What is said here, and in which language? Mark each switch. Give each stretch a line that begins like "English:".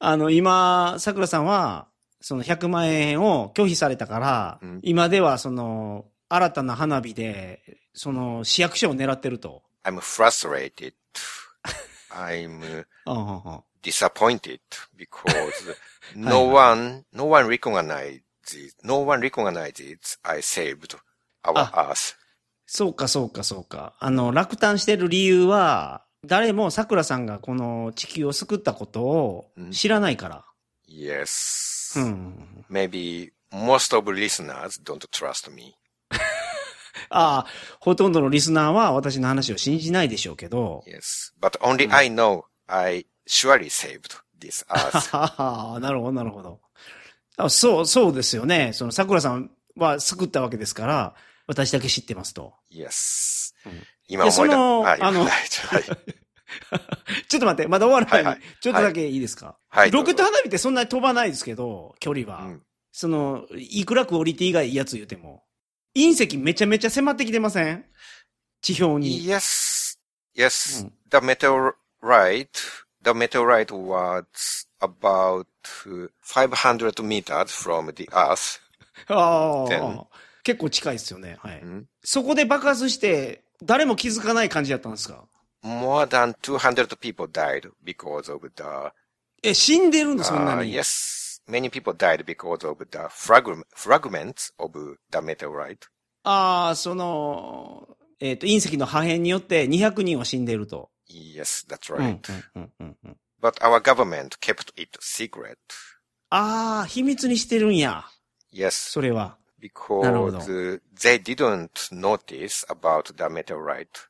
Japanese: 今、桜さんは、その100万円を拒否されたから、うん、今ではその、新たな花火で、その、市役所を狙ってると。
English: I'm frustrated. I'm disappointed because no one recognizes I saved. Our Earth.
Japanese: そうか、そうか、そうか。落胆してる理由は、誰も桜さんがこの地球を救ったことを知らないから。
English: Yes.、
Japanese: うん、
English: Maybe most of listeners don't trust me.
Japanese: ああ、ほとんどのリスナーは私の話を信じないでしょうけど。
English: Yes. But only I know I surely saved this Earth.
Japanese: なるほど、なるほど。そうですよね。その桜さん、は救ったわけですから、私だけ知ってますと。 Yes. 今思い出した。はい。ちょっと待って、まだ終わらない。はいはい、ちょっとだけいいですか、はい、ロケット花火ってそんなに飛ばないですけど、距離は。うん、その、いくらクオリティがいいやつ言っても。隕石めちゃめちゃ迫ってきてません？地表に。
English: Yes, yes.、うん、The meteorite, the meteorite was about 500 meters from the Earth.
Japanese: ああ、結構近いですよね。はい、そこで爆発して、誰も気づかない感じだったんですか？
English: More than 200 people died because of the...
Japanese: 死んでるの？そんなに。
English: Yes. Many people died because of the fragments of the meteorite.
Japanese: ああ、その、隕石の破片によって200人は死んでいると。
English: Yes, that's right. But our government kept it secret.
Japanese: ああ、秘密にしてるんや。
English: Yes.
Japanese: それは。
English: Because they didn't notice about the meteorite.